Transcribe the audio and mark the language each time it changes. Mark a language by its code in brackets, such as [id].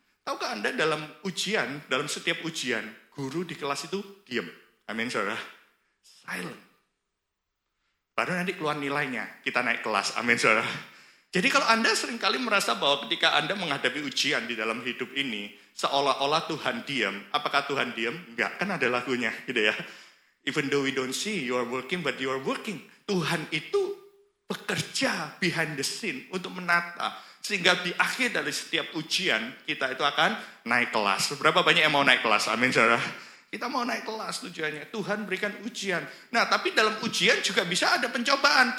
[id] Tahukah Anda dalam ujian, dalam setiap ujian, guru di kelas itu diem. Amin, saudara. Silent. Baru nanti keluar nilainya, kita naik kelas. Amin, saudara. Jadi kalau Anda seringkali merasa bahwa ketika Anda menghadapi ujian di dalam hidup ini, seolah-olah Tuhan diam. Apakah Tuhan diam? Enggak, kan ada lagunya gitu ya. [en] Even though we don't see, you are working, but you are working. [id] Tuhan itu bekerja [en] behind the scene [id] untuk menata. Sehingga di akhir dari setiap ujian, kita itu akan naik kelas. Berapa banyak yang mau naik kelas? Amin, saudara. Kita mau naik kelas tujuannya. Tuhan berikan ujian. Nah, tapi dalam ujian juga bisa ada pencobaan.